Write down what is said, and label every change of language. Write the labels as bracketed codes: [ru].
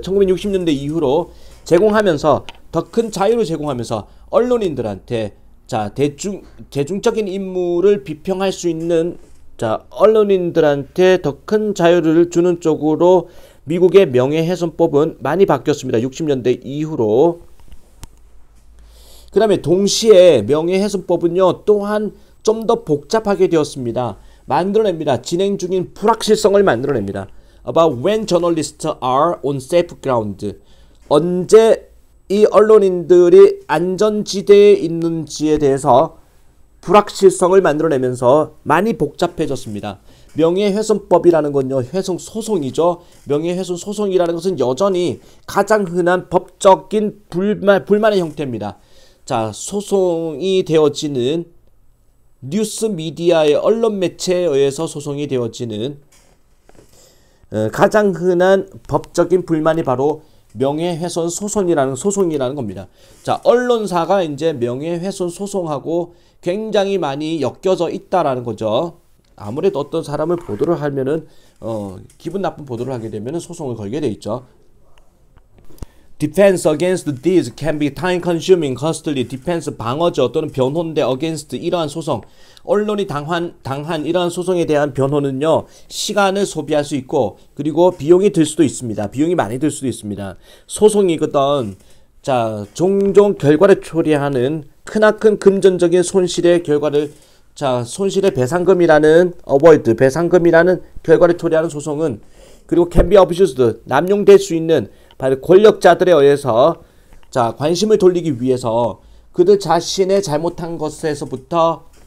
[ko] 1960년대 이후로 제공하면서, 더큰 자유를 제공하면서, 언론인들한테, 자, 대중적인 인물을 비평할 수 있는, 자, 언론인들한테 더큰 자유를 주는 쪽으로 미국의 명예훼손법은 많이 바뀌었습니다. 60년대 이후로. 그 다음에 동시에 명예훼손법은요, 또한 좀더 복잡하게 되었습니다. 만들어냅니다. 진행 중인 불확실성을 만들어냅니다. [en] About when journalists are on safe ground. [ko] 언제 이 언론인들이 안전지대에 있는지에 대해서 불확실성을 만들어내면서 많이 복잡해졌습니다. 명예훼손법이라는 건요, 훼손 소송이죠. 명예훼손 소송이라는 것은 여전히 가장 흔한 법적인 불만의 형태입니다. 자, 소송이 되어지는 뉴스 미디어의 언론 매체에 의해서 소송이 되어지는 가장 흔한 법적인 불만이 바로 명예훼손 소송이라는 겁니다. 자, 언론사가 이제 명예훼손 소송하고 굉장히 많이 엮여져 있다라는 거죠. 아무래도 어떤 사람을 보도를 하면은 기분 나쁜 보도를 하게 되면은 소송을 걸게 돼 있죠. [en] Defense against these can be time-consuming, costly. [ko] Defense 방어죠 또는 변호인데 against 이러한 소송, 언론이 당한 이러한 소송에 대한 변호는요 시간을 소비할 수 있고 그리고 비용이 들 수도 있습니다. 비용이 많이 들 수도 있습니다. 소송이거든. 자, 종종 결과를 초래하는 크나큰 금전적인 손실의 결과를 자 손실의 배상금이라는 어워드 배상금이라는 결과를 초래하는 소송은 그리고 [en] can be abused [ko] 남용될 수 있는 바로 권력자들에 의해서 자 관심을 돌리기 위해서 그들 자신의 잘못한 것에서부터